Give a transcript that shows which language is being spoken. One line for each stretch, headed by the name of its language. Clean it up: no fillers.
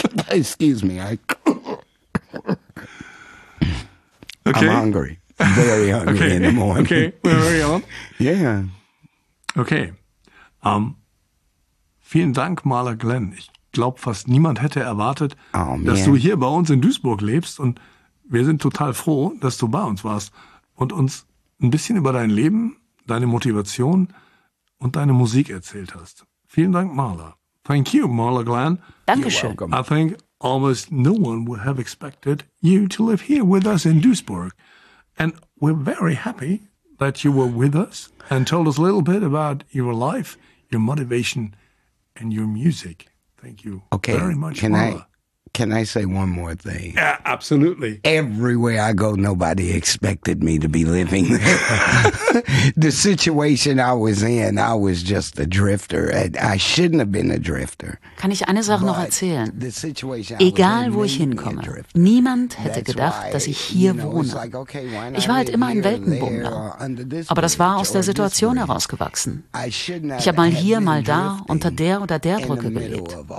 English: Excuse me. I'm hungry. Very hungry in the morning. Okay, we're already on. Yeah. Okay.
German: Vielen Dank, Maler Glenn. Ich glaube, fast niemand hätte erwartet, dass du hier bei uns in Duisburg lebst. Und wir sind total froh, dass du bei uns warst und uns ein bisschen über dein Leben, deine Motivation und deine Musik erzählt hast. Vielen Dank, Maler. Thank you, Maler Glenn. Dankeschön.
English: I think almost no one would have expected you to live here with us in Duisburg. And we're very happy that you were with us and told us a little bit about your life, your motivation, and your music. Thank you very much, Maler. Can I say one more thing? Yeah, absolutely. Everywhere I go, nobody expected me to be living there. The situation I was in, I was just a drifter. I shouldn't have been a drifter.
German: Kann ich eine Sache noch erzählen? Egal, wo ich hinkomme, niemand hätte gedacht, dass ich hier wohne. Ich war halt immer ein Weltenbummler. Aber das war aus der Situation herausgewachsen. Ich habe mal hier, mal da, unter der oder der Brücke gelebt.